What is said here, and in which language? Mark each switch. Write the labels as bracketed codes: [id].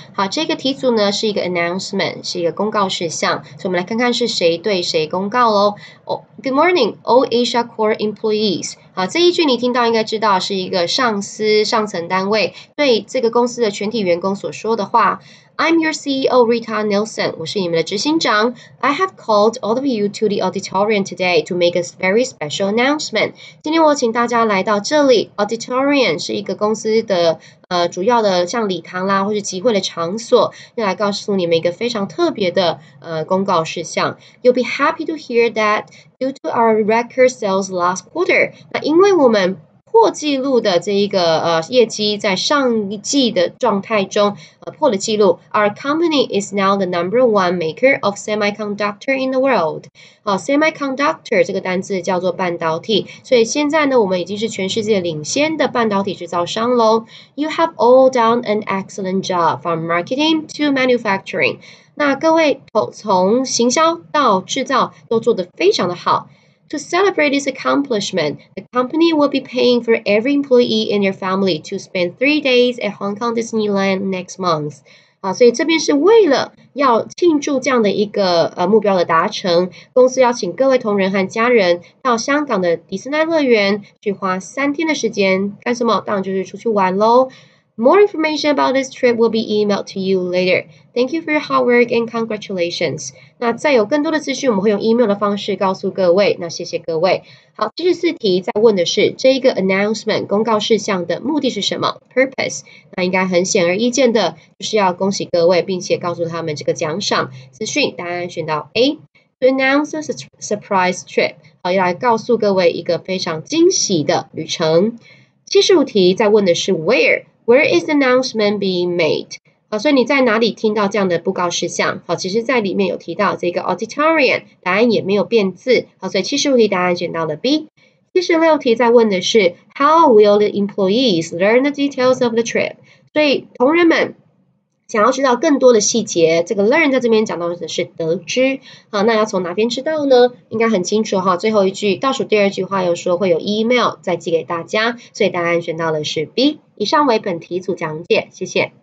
[zh] 好，这个题组呢是一个 announcement， 是一个公告事项，所以我们来看看是谁对谁公告咯。 [en] Good morning, all Asia Core employees。 [zh] 好，这一句你听到应该知道是一个上司上层单位对这个公司的全体员工所说的话。 [en] I'm your CEO, Rita Nelson. [zh] 我是你们的执行长。 [en] I have called all of you to the auditorium today to make a very special announcement. [zh] 今天我请大家来到这里。 Auditorium 是一个公司的主要的像礼堂啦或是集会的场所，要来告诉你们一个非常特别的公告事项。 [en] You'll be happy to hear that due to our record sales last quarter. [zh] 那因为我们破纪录的这一个业绩在上一季的状态中破了纪录。 [en] Our company is now the number one maker of semiconductor in the world. [zh] Semiconductor 这个单字叫做半导体，所以现在呢，我们已经是全世界领先的半导体制造商喽。 [en] You have all done an excellent job from marketing to manufacturing. [zh] 那各位从行销到制造都做得非常的好。 [en] To celebrate this accomplishment, the company will be paying for every employee in your family to spend 3 days at Hong Kong Disneyland next month. [zh] 好，所以这边是为了要庆祝这样的一个目标的达成，公司邀请各位同仁和家人到香港的迪士尼乐园去花3天的时间干什么？当然就是出去玩喽。 [en] More information about this trip will be emailed to you later. Thank you for your hard work and congratulations. [zh] 那再有更多的资讯，我们会用 email 的方式告诉各位。那谢谢各位。好，74题在问的是这一个 announcement 公告事项的目的是什么 ？Purpose。那应该很显而易见的，就是要恭喜各位，并且告诉他们这个奖赏资讯。答案选到 A。 [en] To announce a surprise trip， [zh] 好，要来告诉各位一个非常惊喜的旅程。 75题在问的是 [en] where。Where is the announcement being made? [zh] 好，所以你在哪里听到这样的布告事项？好，其实在里面有提到这个 auditorium， 答案也没有变字。好，所以75题答案选到了 B。 76题在问的是 [en] How will the employees learn the details of the trip? [zh] 所以同仁们想要知道更多的细节，这个 learn 在这边讲到的是得知。好，那要从哪边知道呢？应该很清楚哈。最后一句倒数第二句话又说会有 email 再寄给大家，所以答案选到的是 B。以上为本题组讲解，谢谢。